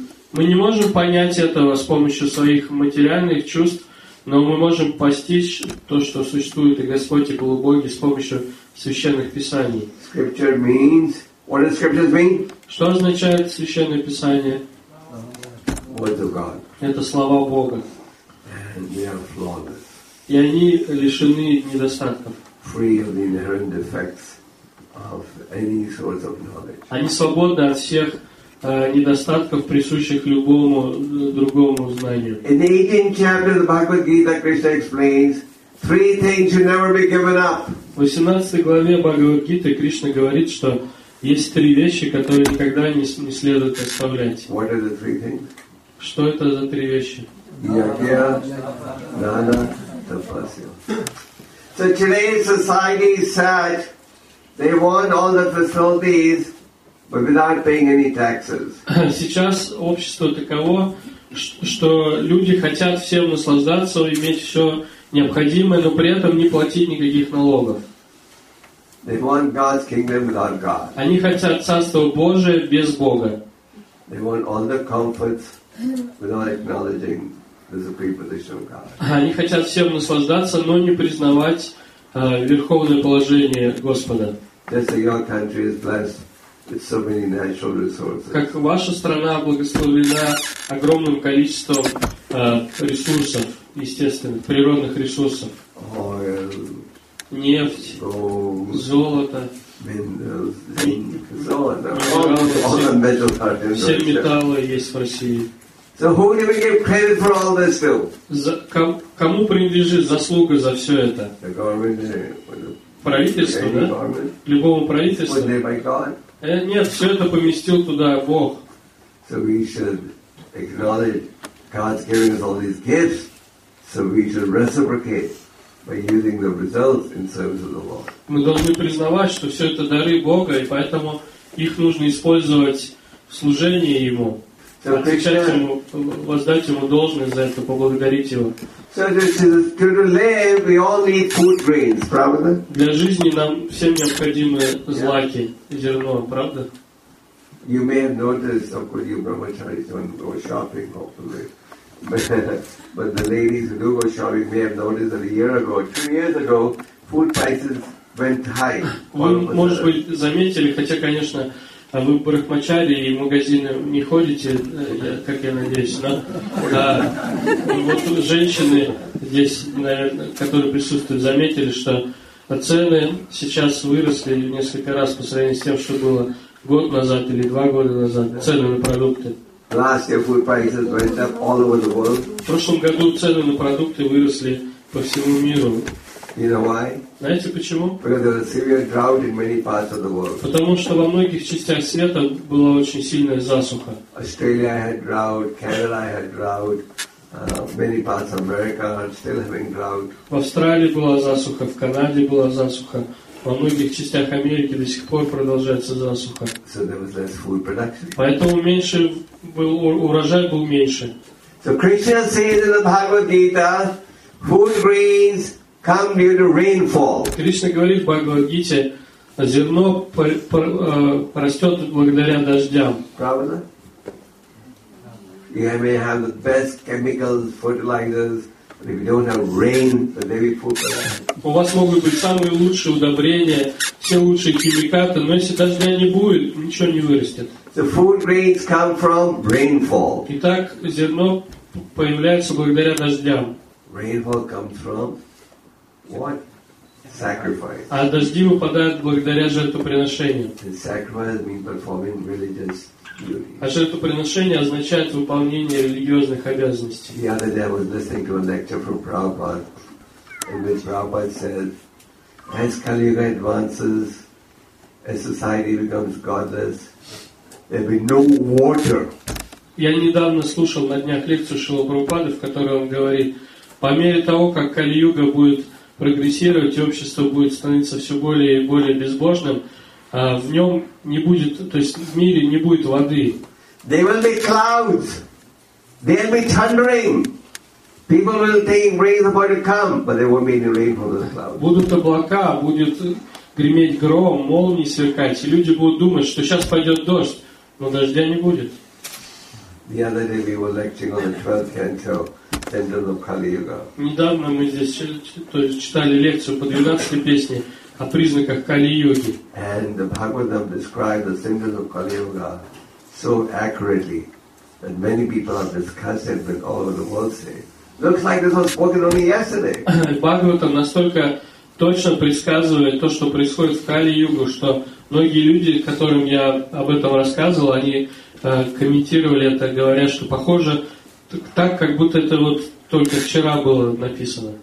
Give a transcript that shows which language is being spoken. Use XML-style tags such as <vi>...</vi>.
<ru>Мы не можем понять этого с помощью своих материальных чувств, но мы можем постичь то, что существует и Господь, и полубоги с помощью священных писаний.</ru> <en>Scripture means... What does scriptures mean?</en> <ru>Что означает Священное Писание?</ru> <en>Words of God.</en> <ru>Это слова Бога.</ru> <en>And they are flawless.</en> <ru>И они лишены недостатков.</ru> <en>Free of the inherent defects of any source of knowledge.</en> <ru>Они свободны от всех недостатков, присущих любому другому знанию.</ru> <en>In the 18th chapter of the Bhagavad Gita, Krishna explains three things should never be given up.</en> <ru>В 18 главе Бхагавад Гиты Кришна говорит, что есть три вещи, которые никогда не следует оставлять.</ru> <en>What are the three things?</en> <ru>Что это за три вещи?</ru> <en>Yajna, dana, tapasya. So today's society is sad. They want all the facilities, but without paying any taxes.</en> <ru>Сейчас общество таково, что люди хотят всем наслаждаться, иметь все необходимое, но при этом не платить никаких налогов.</ru> <en>They want God's kingdom without God.</en> <ru>Они хотят царство Божие без Бога.</ru> <en>They want all the comforts without acknowledging the supreme position of God.</en> <ru>Они хотят всем наслаждаться, но не признавать верховное положение Господа.</ru> <en>Just like your country is blessed with so many natural resources.</en> <ru>Как ваша страна благословлена огромным количеством ресурсов, естественных, природных ресурсов.</ru> <en>Oil.</en> <ru>Нефть,</ru> <en>gold,</en> <ru>золото,</ru> <en>minerals, zinc,</en> <ru>все металлы есть в России.</ru> <en>So who do we give credit for all this to?</en> <ru>Кому принадлежит заслуга за все это?</ru> <en>The government,</en> <ru>правительство, да?</ru> <en>Government?</en> <ru>Любому правительству?</ru> <en>Would they by God?</en> <ru>Нет, все это поместил туда Бог.</ru> <en>So we should acknowledge God's giving us all these gifts, so we should reciprocate. By using the results in service of the Lord.</en> <ru>Мы должны признавать, что все это дары Бога, и поэтому их нужно использовать в служении Ему, отвечать Ему, воздать Ему должность за это, поблагодарить Его.</ru> <en>So to live, we all need food grains,</en> <ru>правда? Для жизни нам всем необходимы злаки, зерно, правда?</ru> <en>You may have noticed, of course, you brahmacharis when you go shopping, hopefully. But the ladies who do go shopping may have noticed that a year ago, 2 years ago, food prices went high.</en> <ru>Вы, может быть, заметили, хотя, конечно, вы в брахмачари и в магазины не ходите, как я надеюсь, но вот женщины здесь, наверное, которые присутствуют, заметили, что цены сейчас выросли в несколько раз по сравнению с тем, что было год назад или 2 года назад, цены на продукты.</ru> <en>Last year, food prices went up all over the world.</en> <ru>В прошлом году цены на продукты выросли по всему миру.</ru> <en>You know why?</en> <ru>Знаете почему?</ru> <en>Because there was a severe drought in many parts of the world.</en> <ru>Потому что во многих частях света была очень сильная засуха.</ru> <en>Australia had drought. Canada had drought. Many parts of America are still having drought.</en> <ru>В Австралии была засуха. В Канаде была засуха. Во многих частях Америки до сих пор продолжается засуха.</ru> <en>So there was less food production.</en> <ru>Поэтому меньше был урожай был меньше.</ru> <en>So Krishna says in the Bhagavad Gita, food grains come due to rainfall.</en> <ru>Кришна говорит в Бхагавад Гите, зерно растет благодаря дождям. Правда?</ru> <en>You may have the best chemicals, fertilizers, but if you don't have rain, there will be food production.</en> <ru>у вас могут быть самые лучшие удобрения, все лучшие химикаты, но если дождя не будет, ничего не вырастет.</ru> <en>The food grains come from rainfall.</en> <ru>Итак, зерно появляется благодаря дождям.</ru> <en>Rainfall comes from what? Sacrifice.</en> <ru>А дожди выпадают благодаря жертвоприношениям.</ru> <en>The sacrifice means performing religious duties.</en> <ru>А жертвоприношение означает выполнение религиозных обязанностей.</ru> <en>The other day I was listening to a lecture from Prabhupada, in which Prabhupada said, as Kali Yuga advances, as society becomes godless, there will be no water.</en> <ru>Я недавно слушал на днях лекцию Шрилы Прабхупады, в которой он говорит, по мере того, как Кали-юга будет прогрессировать, и общество будет становиться все более и более безбожным, в нем не будет, то есть в мире не будет воды.</ru> <en>There will be clouds. There will be thundering. People will think rain is about to come, but there won't be any rain from the clouds.</en> <ru>Будут облака, будет греметь гром, молнии сверкать, и люди будут думать, что сейчас пойдет дождь, но дождя не будет.</ru> <en>The other day we were lecturing on the 12th canto, Centers of Kali Yuga.</en> <ru>Недавно мы здесь читали лекцию по 12-й песне о признаках Кали-юги.</ru> <en>And the Bhagavatam described the centers of Kali Yuga so accurately that many people have discussed it with all of the world say, looks like this was spoken only yesterday.</en> <ru>Бхагаватам настолько точно предсказывает то, что происходит в Кали-югу, что многие люди, которым я об этом рассказывал, они комментировали это, говоря, что похоже так, как будто это вот только вчера было написано.</ru>